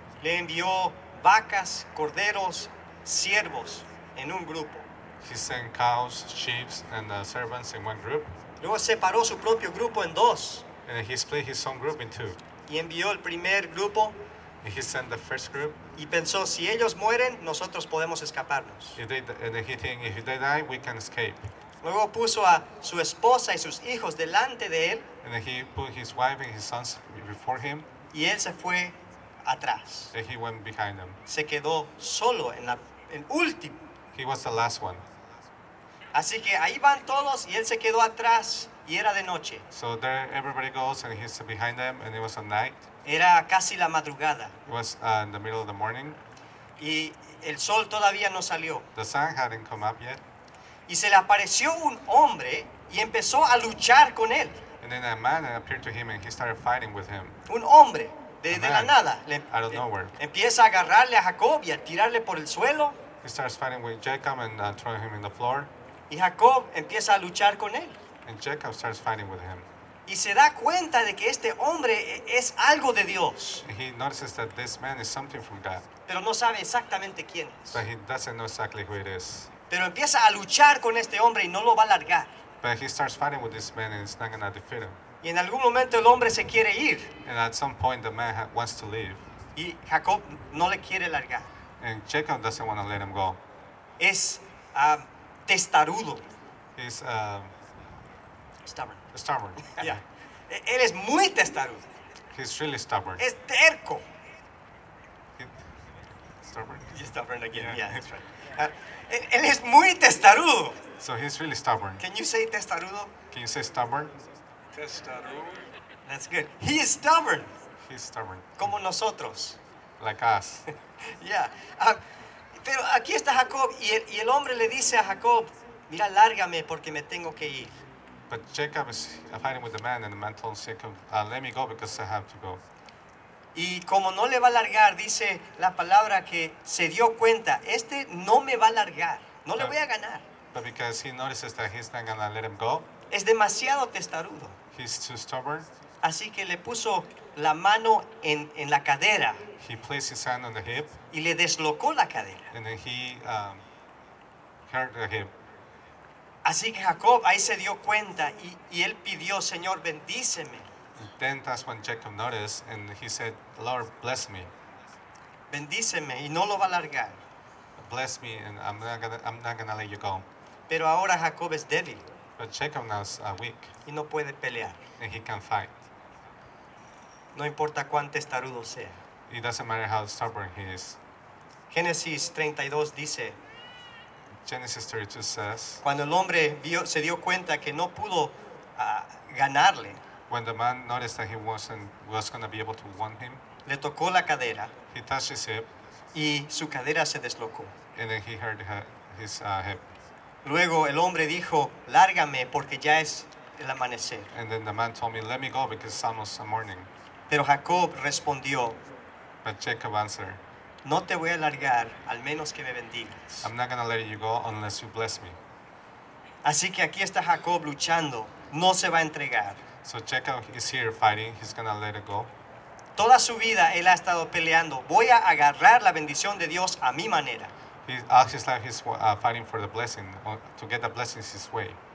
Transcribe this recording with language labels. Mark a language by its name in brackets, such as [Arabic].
[Spanish] Le envió vacas, corderos, siervos en un grupo. [English] He sent cows, sheep, and servants in one group. [Spanish] Luego separó su propio grupo en dos. [English] And he split his own group in two. [Spanish] Y envió el primer grupo. [English] And he sent the first group. [Spanish] Y pensó, si ellos mueren, nosotros podemos escaparnos. [English] If they die, we can escape. [Spanish] Luego puso a su esposa y sus hijos delante de él. [English] And he put his wife and his sons before him. [Spanish] Y él se fue atrás. [English] And he went behind them. [Spanish] Se quedó solo en el último. [English] He was the last one. [Spanish] Así que ahí van todos y él se quedó atrás y era de noche. [English] So there everybody goes and he's behind them and it was at night. [Spanish] Era casi la madrugada. [English] It was in the middle of the morning. [Spanish] Y el sol todavía no salió. [English] The sun hadn't come up yet. [Spanish] Y se le apareció un hombre y empezó a luchar con él. [English] And then a man appeared to him and he started fighting with him. [Spanish] Un hombre, de la nada. [English] Out of nowhere. [Spanish] Empieza a agarrarle a Jacob y a tirarle por el suelo. [English] He starts fighting with Jacob and throwing him in the floor. [Spanish] Y Jacob empieza a luchar con él. [English] And Jacob starts fighting with him. [Spanish] Y se da cuenta de que este hombre es algo de Dios. [English] And he notices that this man is something from God. [Spanish] Pero no sabe exactamente quién es. [English] But he doesn't know exactly who it is. [Spanish] Pero empieza a luchar con este hombre y no lo va a largar. [English] But he starts fighting with this man and he's not going to defeat him. [Spanish] Y en algún momento el hombre se quiere ir. [English] And at some point the man wants to leave. [Spanish] Y Jacob no le quiere largar. [English] And Jacob doesn't want to let him go. [Spanish] Es testarudo. [English] He's stubborn. Stubborn. Yeah. [Spanish] Él es muy testarudo. [English] He's really stubborn. [Spanish] Es terco. [English] Stubborn. He's stubborn again. Yeah, that's right. [Spanish] Él es muy testarudo. [English] So he's really stubborn. Can you say testarudo? Can you say stubborn? [Spanish] Testarudo. [English] That's good. He is stubborn. He's stubborn. [Spanish] Como nosotros. [English] Like us. Yeah. [Spanish] Pero aquí está Jacob y el hombre le dice a Jacob, mira, lárgame porque me tengo que ir. [English] But Jacob is fighting with the man and the man told Jacob, let me go because I have to go. [Spanish] Y como no le va a largar, dice la palabra que se dio cuenta, este no me va a largar, no le voy a ganar. [English] But because he notices that he's not going to let him go. [Spanish] Es demasiado testarudo. [English] He's too stubborn. [Spanish] Así que le puso la mano en la cadera. [English] He placed his hand on the hip. [Spanish] Y le deslocó la cadera. [English] And then he hurt the hip. [Spanish] Así que Jacob ahí se dio cuenta y él pidió, Señor, bendíceme. [English] Then that's when Jacob noticed and he said, Lord, bless me. [Spanish] Bendíceme y no lo va a largar. [English] Bless me and I'm not gonna let you go. [Spanish] Pero ahora Jacob es débil. [English] But Jacob now is weak. [Spanish] Y no puede pelear. [English] And he can't fight. [Spanish] No importa cuán testarudo sea. [English] It doesn't matter how stubborn he is. [Spanish] Genesis 32 dice, [English] Genesis 32 says, [Spanish] cuando el hombre se dio cuenta que no pudo ganarle, [English] when the man noticed that he was going to be able to want him, [Spanish] le tocó la cadera, [English] he touched his hip, [Spanish] y su cadera se deslocó. [English] And then he hurt his hip. [Spanish] Luego el hombre dijo, lárgame porque ya es el amanecer. [English] And then the man told me, let me go because it's almost the morning. [Spanish] Pero Jacob respondió, [English] but Jacob answered, [Spanish] no te voy a largar al menos que me bendigas. [English] I'm not going to let you go unless you bless me. [Spanish] Así que aquí está Jacob luchando, no se va a entregar. [English] So Jacob is here fighting. He's going to let it go. [Spanish] Toda su vida él ha estado peleando. Voy a agarrar la bendición de Dios a mi manera. [English] All his life he's fighting for the blessing, to get the blessings his way.